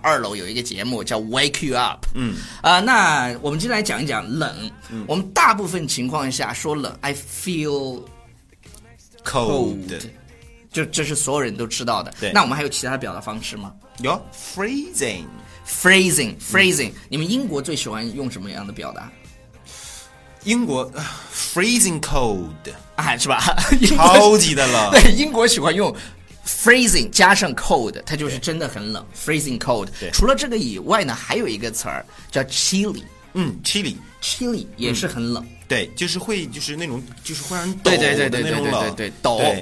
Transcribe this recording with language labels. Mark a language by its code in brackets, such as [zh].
[zh] 2楼有一个节目叫 Wake You Up。那我们今天来讲一讲冷。我们大部分情况下说冷 ， [en] I feel cold, [zh] 就这是所有人都知道的。对，那我们还有其他的表达方式吗？有 freezing, [en] freezing, freezing。 [zh] 你们英国最喜欢用什么样的表达？ [en] 英国 freezing cold, [zh] 啊，是吧？超级的冷。对，英国喜欢用。 Freezing 加上 cold, 它就是真的很冷。 [en] Freezing cold。 [zh] 除了这个以外呢，还有一个词儿叫 chilly。 [en] chilly。 [zh] chilly 也是很冷。对，就是会就是那种就是会让人抖的那种冷。对，抖。